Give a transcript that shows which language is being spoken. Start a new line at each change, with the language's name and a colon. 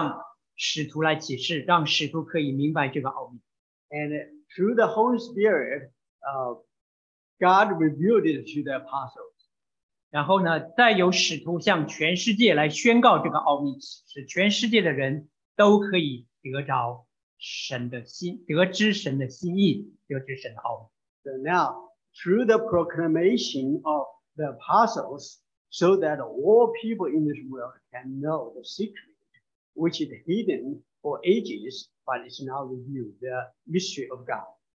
Chinese: 神借着圣灵向使徒来启示, 让使徒可以明白这个奥秘。
English: And through the Holy Spirit, God revealed it to the apostles.
Chinese: 然后呢, 再由使徒向全世界来宣告这个奥秘, 使全世界的人都可以得着神的心, 得知神的心意, 得知神的奥秘。
English: So now, through the proclamation of the apostles, so that all people in this world can know the secret, which is hidden for ages, but is now revealed, the mystery of God.